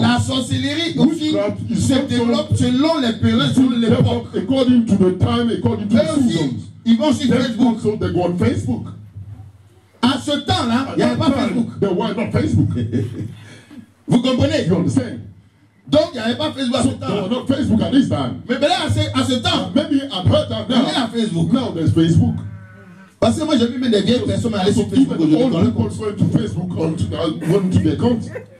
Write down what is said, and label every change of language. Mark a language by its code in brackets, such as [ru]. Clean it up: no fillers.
[fr] La sorcellerie aussi se développe selon les périodes, selon les époques. [en] According to the time, according to the seasons. [fr] Ils vont sur Facebook. [en] So they go on Facebook. [fr] À ce temps-là, il n'y avait pas Facebook. [en] They were not Facebook. [fr] Vous comprenez? [en] You understand? [fr] Donc, il n'y avait pas Facebook à ce temps. [en] There was not Facebook at this time. [fr] Mais là, à ce temps, [en] maybe at that time, [fr] il y a Facebook. [en] Now there's Facebook. [fr] Parce que moi, j'ai vu même des vieilles personnes aller sur Facebook. [en] Even old people went to Facebook on going to their accounts.